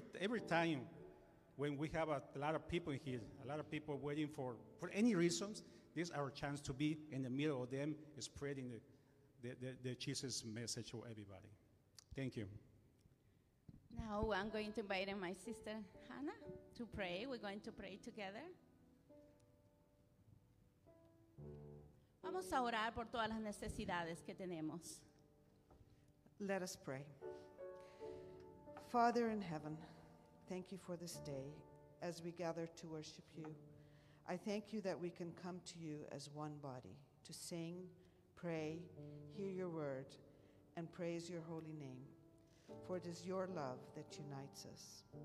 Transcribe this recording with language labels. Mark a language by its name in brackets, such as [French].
[English] Every time when we have a lot of people here, a lot of people waiting for any reasons, this is our chance to be in the middle of them, spreading the Jesus message to everybody. Thank you. Now I'm going to invite my sister Hannah to pray. We're going to pray together. [Spanish] Vamos a orar por todas las necesidades que tenemos. [English] Let us pray. Father in heaven, thank you for this day as we gather to worship you. I thank you that we can come to you as one body to sing, pray, hear your word, and praise your holy name, for it is your love that unites us.